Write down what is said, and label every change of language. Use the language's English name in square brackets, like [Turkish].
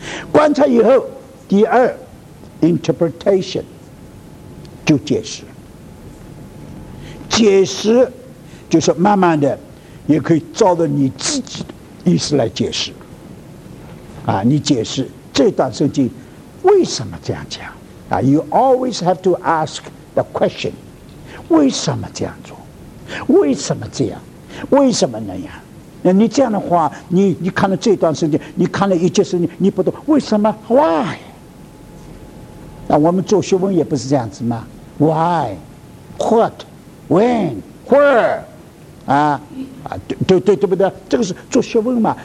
[Chinese] 观察以后，第二 ，interpretation， 就解释。解释就是慢慢的，也可以照着你自己的意思来解释。啊，你解释这段圣经为什么这样讲？ [English] 啊 ，you always have to ask the question， [Chinese] 为什么这样做？为什么这样？为什么那样？那你这样的话，你看了这段圣经，你看了一节圣经，你不懂为什么 ？ [English] Why？ [Chinese] 那我们做学问也不是这样子吗 ？ [English] Why？ What？ When？ Where？ [Chinese] 啊对不对？这个是做学问嘛？